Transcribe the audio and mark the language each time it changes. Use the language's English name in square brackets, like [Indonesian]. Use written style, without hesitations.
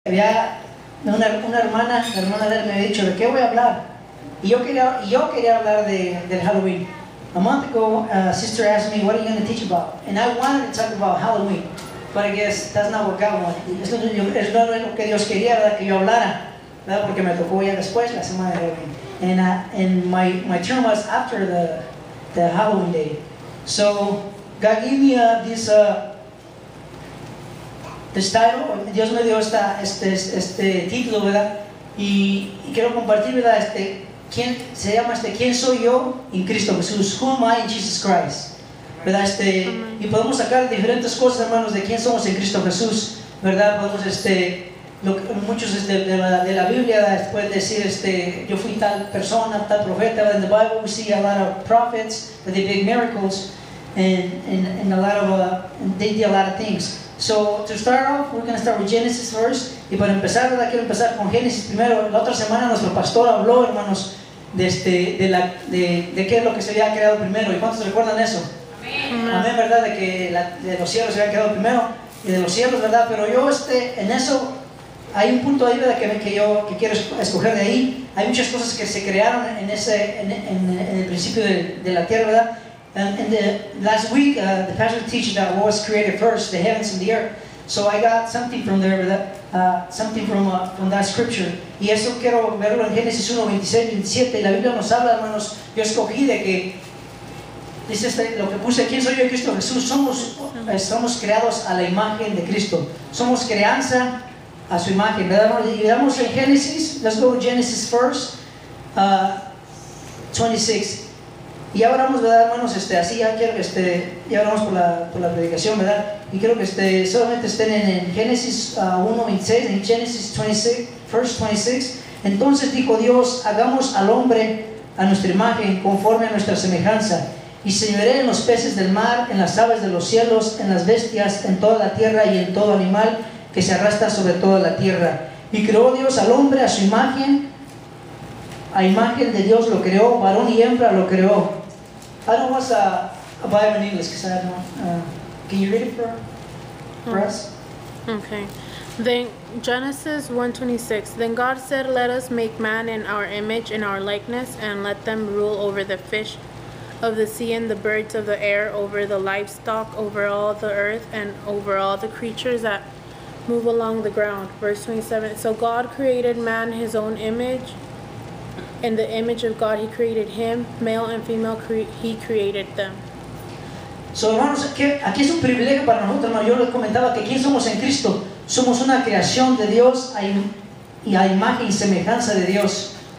[Spanish] Había una hermana, la hermana de él, me había dicho, ¿de qué voy a hablar? Y yo quería hablar del Halloween. [English] A month ago, a sister asked me, what are you going to teach about? And I wanted to talk about Halloween. But I guess that's not what God wanted. [Spanish] Es no lo que Dios quería, ¿verdad? Que yo hablara, ¿verdad? Porque me tocó ya después, la semana de Halloween. [English] And my turn was after the Halloween day. So God gave me this title, [Spanish] Dios me dio este título, ¿verdad? Y quiero compartir, ¿verdad? ¿Quién soy yo en Cristo Jesús? [English] Who am I in Jesus Christ? ¿Verdad? [Spanish] Y podemos sacar diferentes cosas, hermanos, de quién somos en Cristo Jesús, ¿verdad? Podemos, muchos de la Biblia pueden decir, yo fui tal persona, tal profeta. [English] In the Bible we see a lot of prophets that did big miracles and a lot of, they did a lot of things. So to start off, we're going to start with Genesis first. [Spanish] Y para empezar, ¿verdad? Quiero empezar con Génesis primero. La otra semana nuestro pastor habló, hermanos, de qué es lo que se había creado primero. ¿Y cuántos recuerdan eso? Amén. Amén, ¿verdad? De que de los cielos se había creado primero. Y de los cielos, ¿verdad? Pero yo, en eso, hay un punto ahí, ¿verdad? Que quiero escoger de ahí. Hay muchas cosas que se crearon en el principio de la tierra, ¿verdad? [English] And the last week, the pastor teaches that what was created first, the heavens and the earth. So I got something from there, ¿verdad? Something from that scripture. [Spanish] Y eso quiero verlo en Génesis 1, 26, 27. La Biblia nos habla, hermanos, yo escogí de que, dice lo que puse, ¿quién soy yo? Cristo Jesús. Somos creados a la imagen de Cristo. Somos crianza a su imagen, ¿verdad? Y damos en Génesis, [English] let's go to Genesis first, [Spanish] 26. Y ahora vamos, ¿verdad, hermanos? Así ya quiero que ya oramos por la predicación, ¿verdad? Y quiero que solamente estén en Génesis 1, 26, en Génesis 26, verse 26. Entonces dijo Dios, hagamos al hombre a nuestra imagen, conforme a nuestra semejanza, y señoré en los peces del mar, en las aves de los cielos, en las bestias, en toda la tierra y en todo animal que se arrastra sobre toda la tierra. Y creó Dios al hombre a su imagen, a imagen de Dios lo creó, varón y hembra lo creó. [English] I don't want a Bible in English, because I don't know. Can you read it for us? Okay. Then Genesis 1:26. Then God said, let us make man in our image, in our likeness, and let them rule over the fish of the sea and the birds of the air, over the livestock, over all the earth, and over all the creatures that move along the ground. Verse 27. So God created man his own image. In the image of God, he created him. Male and female, he created them. [Spanish] So, hermanos, aquí es un privilegio para nosotros, hermanos. Yo les comentaba que quién somos en Cristo. Somos una creación de Dios y a imagen y semejanza de Dios.